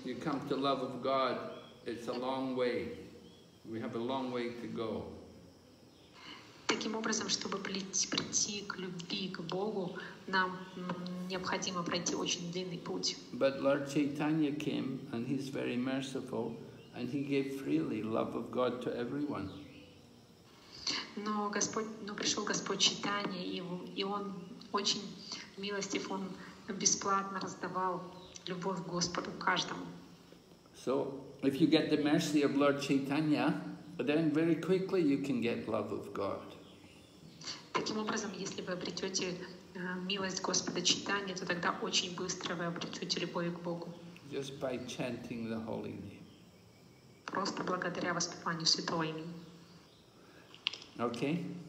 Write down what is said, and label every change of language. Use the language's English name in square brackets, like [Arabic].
[English] You come to love of God, it's a long way. We have a long way to go. [Russian] Таким образом, чтобы прийти к любви, к Богу, нам необходимо пройти очень длинный путь. [English] But Lord Chaitanya came, and he's very merciful, and he gave freely love of God to everyone. [Russian] Но пришел Господь Чайтанья, и он очень милостив, он бесплатно раздавал любовь к Господу каждому. [English] So, if you get the mercy of Lord Chaitanya, then very quickly you can get love of God. [Russian] Таким образом, если вы обретете милость Господа Чайтанья, то тогда очень быстро вы обретете любовь к Богу. [English] Just by chanting the holy name. [Russian] Просто благодаря воспеванию святого имени. [English] Okay.